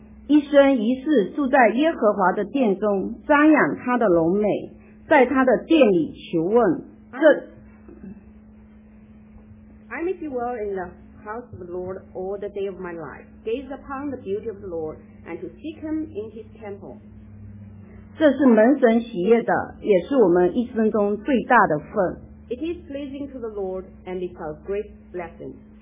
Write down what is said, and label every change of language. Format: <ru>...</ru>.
<zh>在耶和华的殿中瞻仰他的荣美，在他的殿里求问。</zh> <en>I'm if you will in the house of the Lord all the day of my life, gaze upon the beauty of the Lord and to seek him in his temple.</en> <zh>这是蒙神喜悦的，也是我们一生中最大的份。</zh> <en>It is pleasing to the Lord and it's a great blessing.</en>